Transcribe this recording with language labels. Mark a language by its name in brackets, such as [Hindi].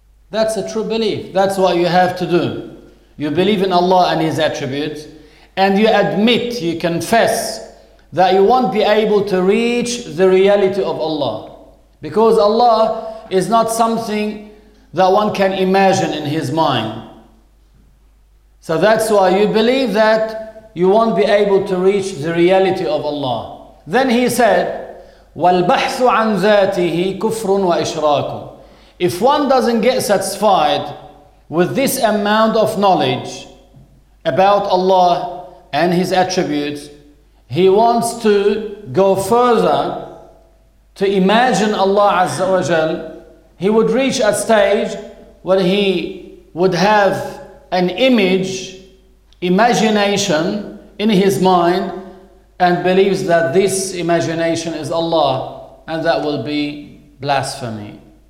[English] That's a true belief. That's what you have to do. You believe in Allah and His attributes, and you admit, you confess, that you won't be able to reach the reality of Allah. Because Allah is not something that one can imagine in his mind. So that's why you believe that you won't be able to reach the reality of Allah. Then he said, [Arabic] وَالْبَحْثُ عَنْ ذَاتِهِ كُفْرٌ وَإِشْرَاكٌ. [English] If one doesn't get satisfied with this amount of knowledge about Allah and His attributes, he wants to go further to imagine Allah Azza wa Jal, he would reach a stage where he would have an image, imagination in his mind, and believes that this imagination is Allah, and that will be blasphemy.